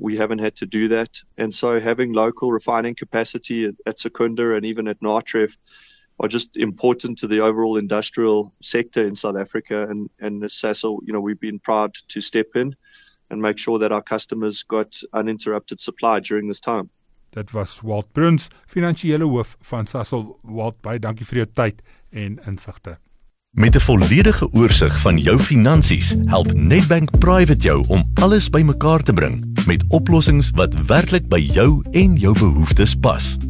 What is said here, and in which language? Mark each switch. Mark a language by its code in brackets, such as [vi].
[en] We haven't had to do that. And so having local refining capacity at Secunda and even at Natref are just important to the overall industrial sector in South Africa. And as Sasol, you know, we've been proud to step in and make sure that our customers got uninterrupted supply during this time. [af] Dit was Walt Bruins, finansiële hoof van Sasol. Walt, baie dankie vir jou tyd en insigte. Met 'n volledige oorsig van jou finansies, help Nedbank Private jou om alles by mekaar te bring met oplossings wat werklik by jou en jou behoeftes pas.